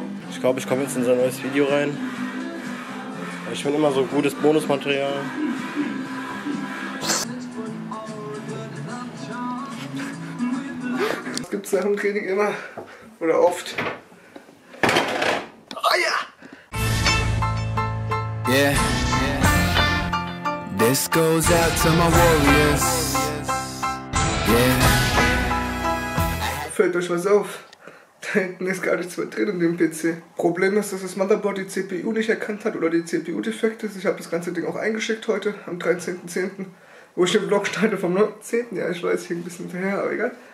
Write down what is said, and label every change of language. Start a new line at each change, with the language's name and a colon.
German: Ich glaube, ich komme jetzt in sein neues Video rein. Ich finde immer so gutes Bonusmaterial. Es gibt nach dem Training immer oder oft.
English: Yeah, this goes out to my warriors.
German: Yeah. Fällt euch was auf? Da hinten ist gar nichts mehr drin in dem PC. Problem ist, dass das Motherboard die CPU nicht erkannt hat oder die CPU-Defekt ist. Ich habe das ganze Ding auch eingeschickt heute, am 13.10. Wo ich den Vlog schneide vom 9.10. Ja, ich weiß, hier ein bisschen hinterher, aber egal.